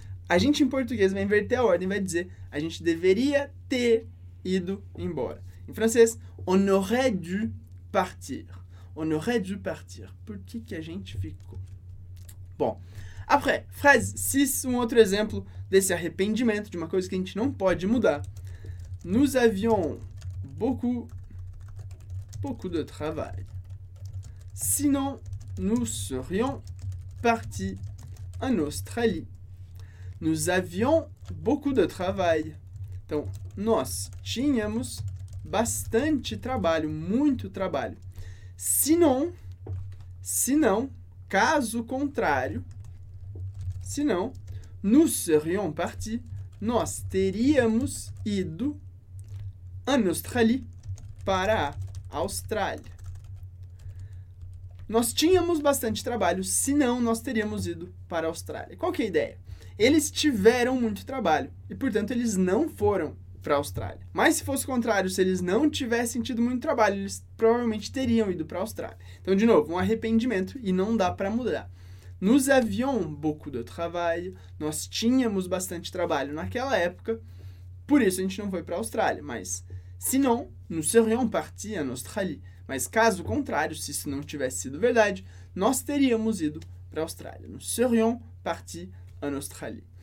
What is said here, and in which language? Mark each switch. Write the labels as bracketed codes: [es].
[pt] A gente em português vai inverter a ordem, vai dizer: a gente deveria ter ido embora. Em francês, [fr] on aurait dû partir. On aurait dû partir. [pt] Por que que a gente ficou? Bom, après, frase 6, um outro exemplo desse arrependimento, de uma coisa que a gente não pode mudar. [fr] Nous avions beaucoup, beaucoup de travail. Sinon, nous serions partis en Australie. Nous avions beaucoup de travail. [pt] Então, nós tínhamos bastante trabalho, muito trabalho. [fr] Sinon, [pt] caso contrário, [fr] sinon, nous serions partis, [pt] nós teríamos ido [fr] en Australie, [pt] para a Austrália. Nós tínhamos bastante trabalho, senão nós teríamos ido para a Austrália. Qual que é a ideia? Eles tiveram muito trabalho e, portanto, eles não foram para a Austrália. Mas se fosse o contrário, se eles não tivessem tido muito trabalho, eles provavelmente teriam ido para a Austrália. Então, de novo, um arrependimento e não dá para mudar. [fr] Nous avions beaucoup de travail, [pt] nós tínhamos bastante trabalho naquela época, por isso a gente não foi para a Austrália. Mas, se não, [fr] nous serions partis en Australie. [pt] Mas, caso contrário, se isso não tivesse sido verdade, nós teríamos ido para a Austrália. [fr] Nous serions partis en Australie.